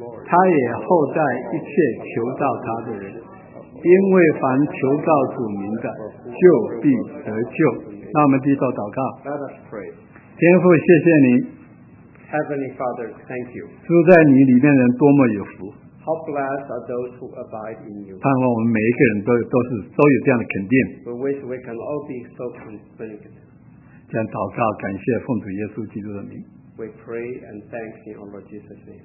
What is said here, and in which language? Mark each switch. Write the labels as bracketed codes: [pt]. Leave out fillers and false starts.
[zh] 他也厚待一切求告他的人，因为凡求告主名的，就必得救。那我们低头祷告。 [en] Let us pray. [zh] 天父，谢谢你。 [en] Heavenly Father, thank you. [zh] 住在你里面的人多么有福。 [en] How blessed are those who abide in you. [zh] 盼望我们每一个人都有这样的肯定。 [en] We wish we can all be so convinced. [zh] 这样祷告，感谢奉主耶稣基督的名。 [en] We pray and thank you, Lord Jesus' name.